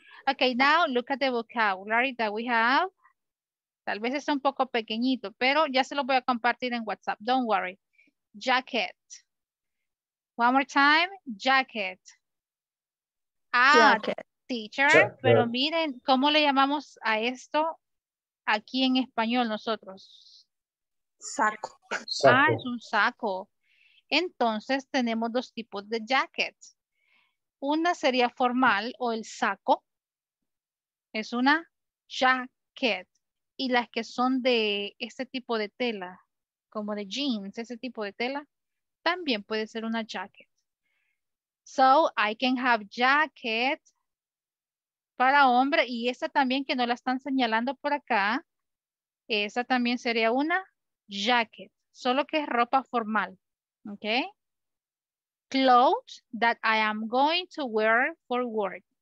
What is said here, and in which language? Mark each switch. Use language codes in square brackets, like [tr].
[en] Okay, now look at the vocabulary that we have. [es] Tal vez es un poco pequeñito, pero ya se lo voy a compartir en WhatsApp. [en] Don't worry. Jacket. One more time. Jacket. Ah, jacket. Teacher. Jacket. [es] Pero miren, ¿cómo le llamamos a esto aquí en español nosotros? Saco. Ah, es un saco. Entonces tenemos dos tipos de jacket. Una sería formal o el saco. Es una jacket. Y las que son de este tipo de tela, como de jeans, ese tipo de tela, también puede ser una jacket. [en] So I can have jacket [es] para hombre. Y esa también que no la están señalando por acá, esa también sería una jacket. Solo que es ropa formal. Ok. [en] Clothes that I am going to wear for work.